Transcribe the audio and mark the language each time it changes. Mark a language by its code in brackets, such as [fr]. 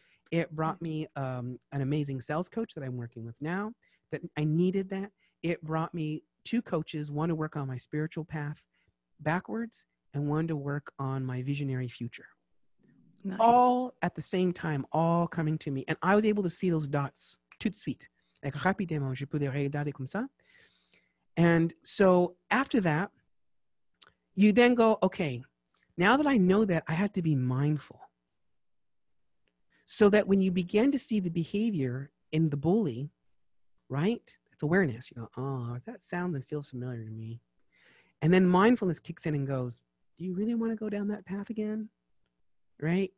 [en] It brought me an amazing sales coach that I'm working with now that I needed that. It brought me two coaches, one to work on my spiritual path backwards and one to work on my visionary future. Nice. All at the same time, all coming to me. And I was able to see those dots [fr] tout de suite. [en] Like [fr] rapidement, je peux les regarder comme ça. [en] And so after that, you then go, okay, now that I know that, I have to be mindful. So that when you begin to see the behavior in the bully, right? It's awareness. You go, oh, that sounds and feels familiar to me. And then mindfulness kicks in and goes, do you really want to go down that path again? Right?